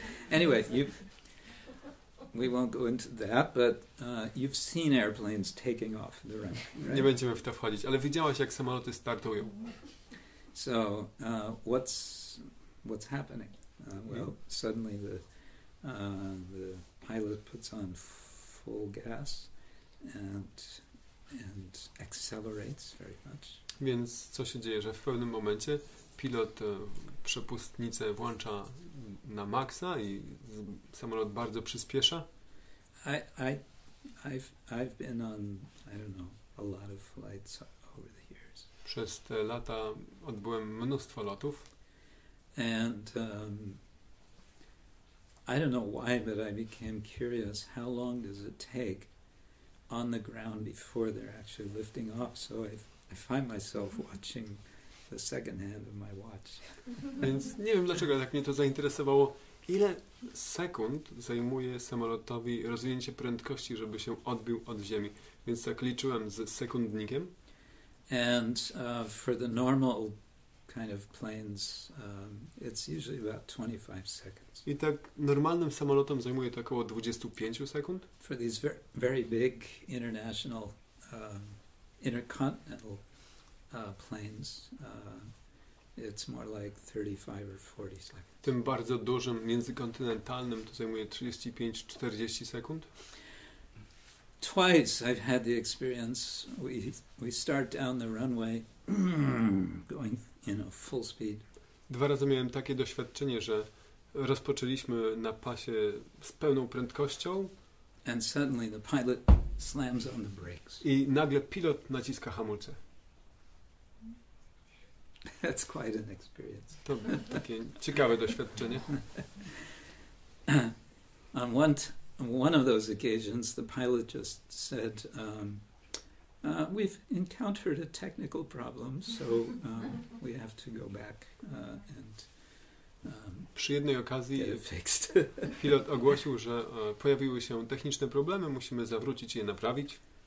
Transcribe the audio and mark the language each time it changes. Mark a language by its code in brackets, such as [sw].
[en] Anyway, we won't go into that, but you've seen airplanes taking off the runway. Right? [pl] Nie będziemy w to wchodzić, ale widziałaś, jak samoloty startują. [en] So what's happening? Well, suddenly the pilot puts on full gas and accelerates very much. [pl] Więc co się dzieje, że w pewnym momencie pilot przepustnicę włącza na maksa i samolot bardzo przyspiesza? [en] I've been on, I don't know, a lot of flights over the years. [pl] Przez te lata odbyłem mnóstwo lotów. [en] And I don't know why, but I became curious. How long does it take on the ground before they're actually lifting off? So I find myself watching the second hand of my watch. [pl] Więc nie wiem dlaczego tak mnie to zainteresowało. Ile sekund zajmuje samolotowi rozwinięcie prędkości, żeby się odbił od ziemi? Więc tak liczyłem z sekundnikiem. [en] And for the normal kind of planes, it's usually about 25 seconds. [pl] I tak normalnym samolotem zajmuje to około 25 sekund. [en] For these very big international, intercontinental planes, it's more like 35 or 40 seconds. [pl] Tym bardzo dużym międzykontynentalnym to zajmuje 35-40 sekund. [en] Twice I've had the experience. We start down the runway, going. You know, full speed. [pl] Dwa razy miałem takie doświadczenie, że rozpoczęliśmy na pasie z pełną prędkością. [en] And suddenly the pilot slams on the brakes. [pl] I nagle pilot naciska hamulce. [en] That's quite an experience. [pl] To takie ciekawe doświadczenie. [en] On one of those occasions, the pilot just said, we've encountered a technical problem, so we have to go back and [pl] przy jednej okazji pilot ogłosił, że pojawiły się techniczne problemy, musimy zawrócić i je naprawić.